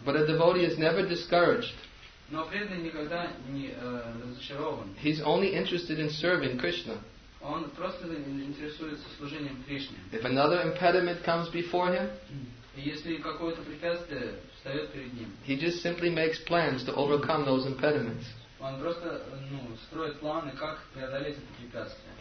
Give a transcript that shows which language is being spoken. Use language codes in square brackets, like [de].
[en] But a devotee is never discouraged. [ru] Но преданный никогда не разочарован. [en] He's only interested in serving Krishna. [ru] Он просто интересуется служением Кришне. [en] If another impediment comes before him, [ru] если какое-то препятствие встает перед ним, [en] he just simply makes plans to overcome those impediments. [ru] Он просто строит планы, как преодолеть это препятствие.